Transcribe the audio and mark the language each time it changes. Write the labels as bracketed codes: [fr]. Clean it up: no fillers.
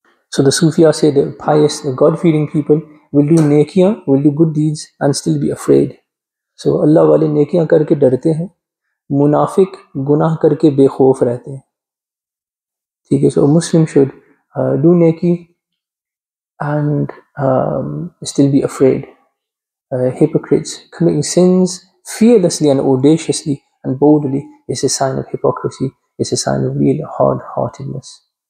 [en] So the Sufiya say the pious, the God-fearing people will do nekiyan, will do good deeds and still be afraid. [ur] سو اللہ والے نیکیاں کرکے ڈرتے ہیں، منافق گناہ کرکے بےخوف رہتے ہیں۔ [en] So a Muslim should do neki and still be afraid. Hypocrites committing sins fearlessly and audaciously and boldly is a sign of hypocrisy. It's a sign of real hard-heartedness.